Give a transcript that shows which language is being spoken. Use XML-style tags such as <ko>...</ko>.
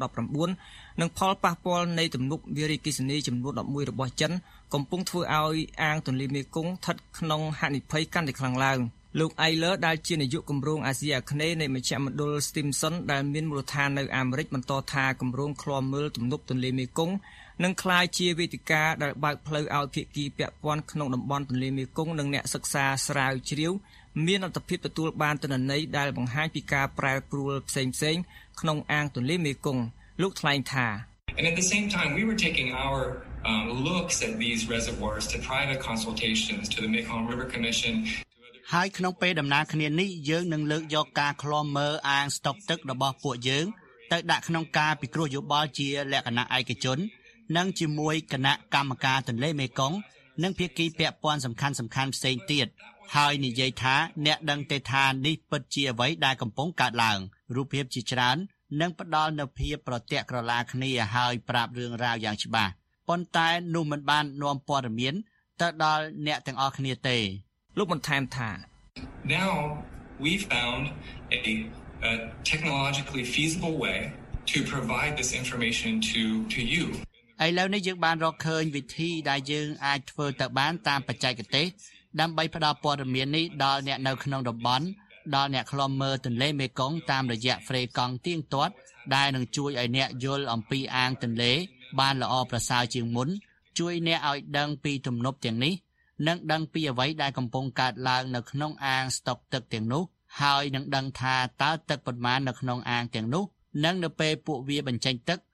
<km>2019និងផលប៉ះពាល់នៃទំនប់វារីអគ្គិសនីចំនួន11របស់ចិនកំពុងធ្វើឲ្យអាងទន្លេមេគង្គស្ថិតក្នុងហានិភ័យកាន់តែខ្លាំងឡើងលោក Eiler ដែលជានាយកគម្រោងអាស៊ីអាគ្នេយ៍នៃមជ្ឈមណ្ឌល Stimson ដែលមានមូលដ្ឋាននៅអាមេរិកបន្តថាគម្រោងឃ្លាំមើលទំនប់ទន្លេមេគង្គ នឹងក្លាយជាវេទិកាដែលបើកផ្លូវឲ្យភាគីពាក់ព័ន្ធក្នុងតំបន់ទន្លេមេគង្គនិងអ្នកសិក្សាស្រាវជ្រាវមានលទ្ធភាពទទួលបានទិន្នន័យដែលបង្ហាញពីការប្រែប្រួលផ្សេងផ្សេងក្នុងអាងទន្លេមេគង្គលោកថ្លែងថា</km> <en>At the same time we were taking ourlooks at these reservoirs to private consultations to the Mekong River Commission</en> <km>ហើយក្នុងពេលដំណើរគ្នានេះយើងនឹងលើកយកការឃ្លាំមើលអាងស្តុកទឹករបស់ពួកយើងទៅដាក់ក្នុងការពិគ្រោះយោបល់ជាលក្ខណៈឯកជននិងជាមួយគណៈកម្មការទន្លេមេគង្គនិងភាគីពាក់ព័ន្ធសំខាន់សំខាន់ផ្សេងទៀតហើយនិយាយថាអ្នកដឹងទេថានេះពិតជាអ្វីដែលកំពុងកើតឡើងរូបភាពជាច្រើននិងផ្ដល់នូវភាពប្រតិកក្រឡាគ្នាហើយប្រាប់រឿងរ៉ាវយ៉ាងច្បាស់ប៉ុន្តែនោះមិនបាននាំព័ត៌មានទៅដល់អ្នកទាំងអស់គ្នាទេ លោកបន្ថែមថា</km> <en>Now we found a technologically feasible way to provide this information to you</en> <km>ឥឡូវនេះយើងបានរកឃើញវិធីដែលយើងអាចធ្វើទៅបានតាមបច្ចេកទេសដើម្បីផ្ដល់ព័ត៌មាននេះដល់អ្នកនៅក្នុងតំបន់ដល់អ្នកឃ្លាំមើលទន្លេមេគង្គតាមរយៈហ្វ្រេកង់ទៀងទាត់ដែលនឹងជួយឲ្យអ្នកយល់អំពីអាងទន្លេបានល្អប្រសើរជាងមុនជួយអ្នកឲ្យដឹងពីទំនប់ទាំងនេះនិងដឹងពីអ្វីដែលកំពុងកើតឡើងនៅក្នុងអាងស្តុកទឹកទាំងនោះហើយនឹងដឹងថាតើទឹកប៉ុន្មាននៅក្នុងអាងទាំងនោះនិងនៅពេលពួកវាបញ្ចេញទឹក</km>